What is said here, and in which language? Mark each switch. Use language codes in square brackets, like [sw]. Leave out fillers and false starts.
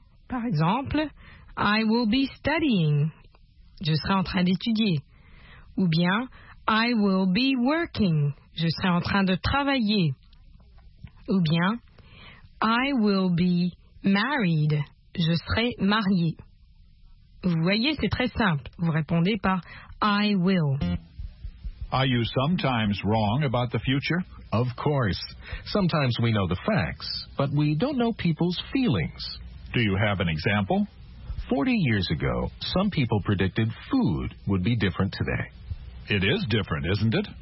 [fr] Par exemple, [en] I will be studying. [fr] Je serai en train d'étudier. Ou bien, [en] I will be working. [fr] Je serai en train de travailler. Ou bien, [en] I will be married. [fr] Je serai marié. Vous voyez, c'est très simple. Vous répondez par [en] I will. Are you sometimes wrong about the future? Of course. Sometimes we know the facts, but we don't know people's feelings. Do you have an example? 40 years ago, some people predicted food would be different today. It is different, isn't it?